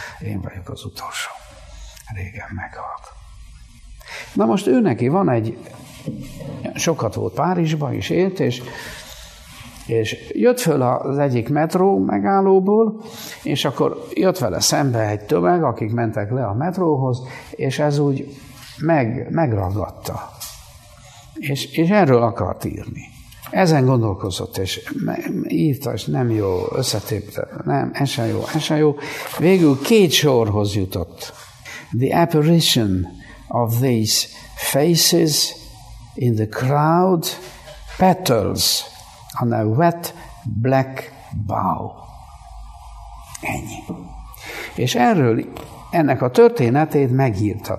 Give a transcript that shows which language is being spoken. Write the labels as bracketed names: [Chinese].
[Hungarian] Én vagyok az utolsó. Régen meghalt. Na most ő neki van egy, sokat volt Párizsban is élt, és jött föl az egyik metró megállóból, és akkor jött vele szembe egy tömeg, akik mentek le a metróhoz, és ez úgy megragadta. És erről akart írni. Ezen gondolkozott, és írta, és nem jó, összetépte, nem, ez sem jó, ez sem jó. Végül két sorhoz jutott. [English] The apparition of these faces in the crowd petals on a wet black bough. [Hungarian] Ennyi. És erről, ennek a történetét megírta.